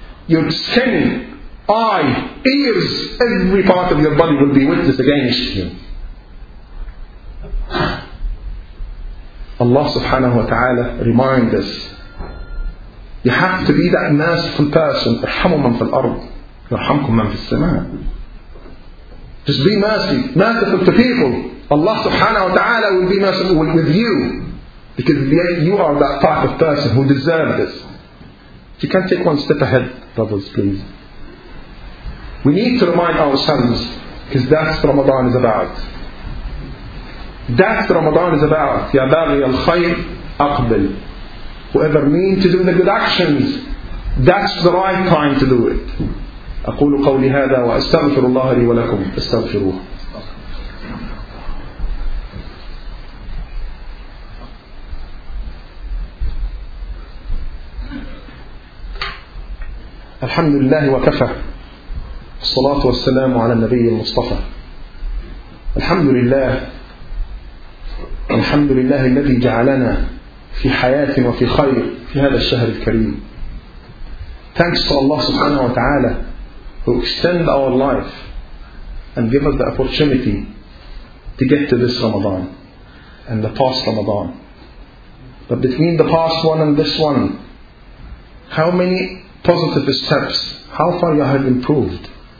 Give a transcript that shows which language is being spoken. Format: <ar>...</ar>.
<en>Your skin, eye, ears, every part of your body will be witness against you. Allah subhanahu wa ta'ala remind us. You have to be that merciful person.</en> <ar>ارحموا من في الأرض يرحمكم من في السماء.</ar> <en>Just be merciful to people. Allah subhanahu wa ta'ala will be merciful with you. Because you are that type of person who deserves this. If you can take one step ahead, brothers, please. We need to remind ourselves, because that's what Ramadan is about. That's what Ramadan is about.</en> <ar>يَا بَغِيَ الْخَيْرِ أَقْبِلْ.</ar> <en>Whoever means to do the good actions, that's the right time to do it.</en> <ar>أَقُولُ قَوْلِ هَذَا وَأَسْتَغْفِرُ اللَّهَ لِي وَلَكُمْ أَسْتَغْفِرُوهُ. الحمد لله وكفى الصلاة والسلام على النبي المصطفى. الحمد لله الحمد لله الذي جعلنا في حياة وفي خير في هذا الشهر الكريم.</ar> <en>Thanks to Allah subhanahu wa ta'ala who extend our life and give us the opportunity to get to this Ramadan and the past Ramadan. But between the past one and this one, how many positive steps, how far you have improved.</en>